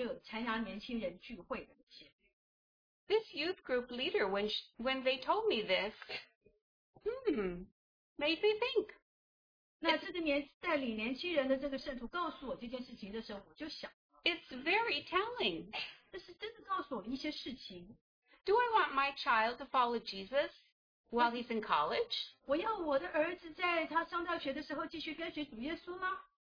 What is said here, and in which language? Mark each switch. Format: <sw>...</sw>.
<zh>那他说我注意到那些在大学里面继续跟随主的那些人呢，是在高中里面就有参加年轻人聚会的那些。</zh> <en>This youth group leader, when they told me this, made me think.</en> <zh>那这个带领年轻人的这个圣徒告诉我这件事情的时候，我就想。</zh> <en>It's very telling.</en> <zh>这是真的告诉我一些事情。</zh> <en>Do I want my child to follow Jesus while he's in college?</en> <zh>我要我的儿子在他上大学的时候继续跟随主耶稣吗？</zh>